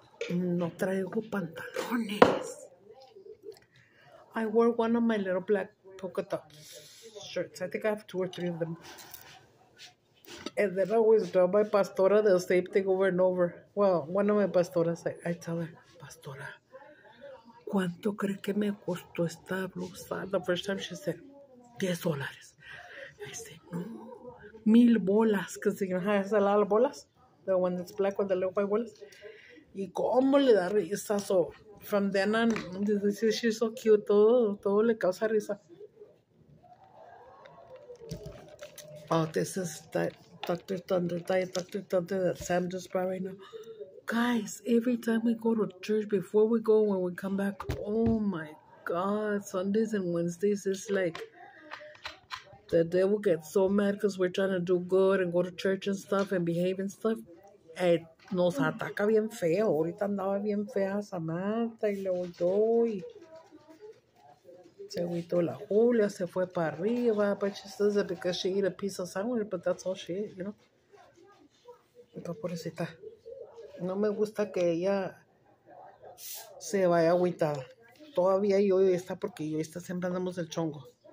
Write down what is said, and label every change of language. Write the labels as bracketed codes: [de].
[es] No traigo pantalones. [en] I wore one of my little black polka dot shirts. I think I have two or three of them. And then I always tell my pastora the same thing over and over. Well, one of my pastoras, I tell her, Pastora, [es] ¿cuánto cree que me costó esta blusa? [en] The first time she said, $10. I said, no, 1,000 bolas, because you know how it's a lot of bolas. The one that's black with the little white bolas. [es] Y cómo le da risa. [en] So from then on, she's so cute. [es] Todo le causa risa. [en] Oh, this is that Dr. Thunder, Diet Dr. Thunder that Sam just brought right now. Guys, every time we go to church, before we go, when we come back, oh my God, Sundays and Wednesdays, it's like the devil gets so mad because we're trying to do good and go to church and stuff and behave and stuff. [es] And nos ataca bien feo. Ahorita andaba bien fea Samantha y le voy. Se agüitó la Julia, se fue para arriba. [en] But she says that because she ate a piece of sandwich, but that's all she ate, you know. [es] Entonces, pobrecita. No me gusta que ella se vaya agüitada. Todavía yo y esta, porque yo y esta siempre andamos del chongo.